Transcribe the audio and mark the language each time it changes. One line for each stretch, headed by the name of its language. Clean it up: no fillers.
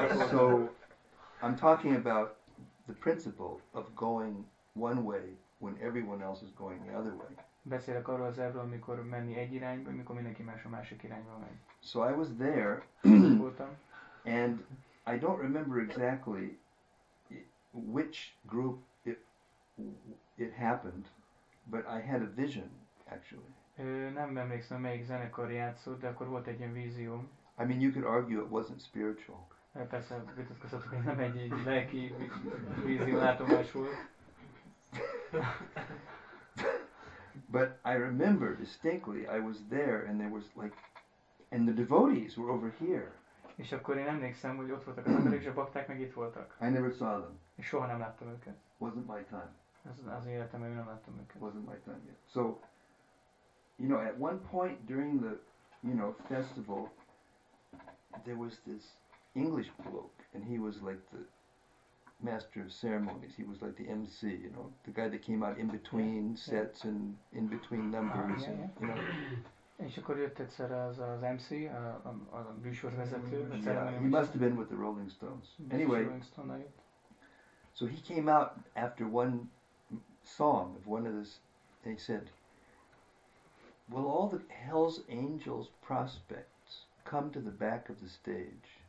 English: So, I'm talking about the principle of going one way when everyone else is going the other way.
Hungarian: Beszélek arról az erről, amikor menni egy irányba, amikor mindenki más a másik irányba megy.
English: So I was there, and I don't remember exactly which group it happened, but I had a vision, actually.
Hungarian: Nem emlékszem, melyik zenekar játszott, de akkor volt egy ilyen vízióm.
English: I mean, you could argue it wasn't spiritual.
Hungarian: Persze, vitatkozhatok, hogy nem egy lelki víziólátomás volt.
English: But I remember distinctly, I was there, and there was like, and the devotees were over here.
Hungarian: És akkor én emlékszem, hogy ott voltak az emberek, és a bakták meg itt voltak.
English: I never saw them.
Hungarian: És soha nem láttam őket.
English: Wasn't my time.
Hungarian: Az életem, én nem láttam őket.
English: Wasn't my time yet. So, you know, at one point during the, you know, festival, there was this English bloke, and he was like the master of ceremonies. He was like the MC, you know, the guy that came out in between sets and in between numbers, and, you know.
Hungarian: És akkor jött egyszer az MC, a műsorvezető.
English: He must have been with the Rolling Stones. Anyway, so he came out after one song of one of this, and he said, "Will all the Hell's Angels prospects come to the back of the stage?"